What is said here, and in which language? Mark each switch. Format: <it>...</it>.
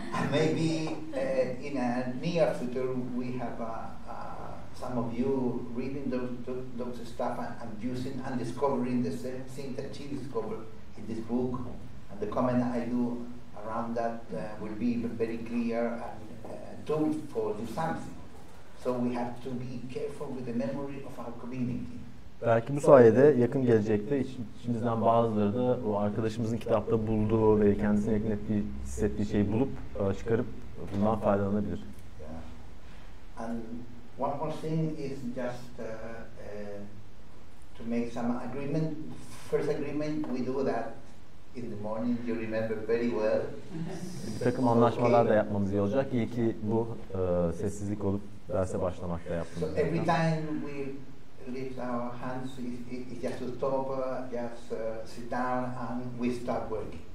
<en>Maybe in a near future we have some of you reading those stuff and using and discovering the same thing that she discovered in this book, and the comment I do around that will be very clear and told for you something. So we have to be careful with the memory of our community.</en> <tr>Belki bu sayede yakın gelecekte içimizden bazıları da o arkadaşımızın kitapta bulduğu ve kendisine yakın ettiği, hissettiği şeyi bulup çıkarıp bundan faydalanabilir.</tr> <en>Yeah. And one more thing is just to make some agreement. First agreement, we do that in the morning, you remember very well.</en> <tr>Bir takım anlaşmalar da yapmamız iyi olacak. İyi ki bu sessizlik olup derse başlamakla yaptım.</tr> <en>So every time we lift our hands, it's just to stop, just sit down and we start working.</en>